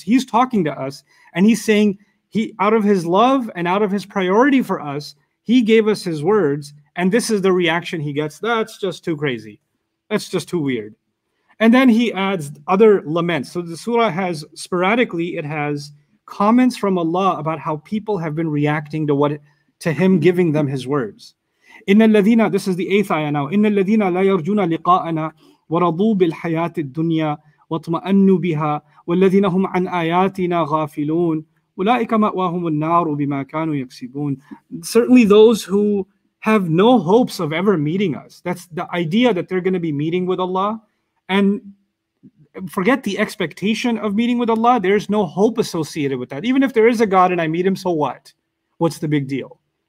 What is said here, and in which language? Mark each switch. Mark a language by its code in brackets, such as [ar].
[en] He's talking to us and he's saying, he, out of his love and out of his priority for us, he gave us his words, and this is the reaction he gets. That's just too crazy. That's just too weird. And then he adds other laments. So the surah has, sporadically, it has comments from Allah about how people have been reacting to what to him giving them his words. [ar] إِنَّ الَّذِينَ, [en] this is the eighth ayah now, [ar] إِنَّ الَّذِينَ لَا يَرْجُونَ لِقَاءَنَا وَرَضُوا بِالْحَيَاةِ الدُّنْيَا وَاطْمَأَنُّوا بِهَا وَالَّذِينَ هُمْ عَنْ آيَاتِنَا غَافِلُونَ أُولَٰئِكَ مَأْوَاهُمُ النَّارُ بِمَا كَانُوا يَكْسِبُونَ. [en] Certainly those who have no hopes of ever meeting us. That's the idea, that they're going to be meeting with Allah. And forget the expectation of meeting with Allah. There's no hope associated with that. Even if there is a God and I meet him, so what? What's the big deal?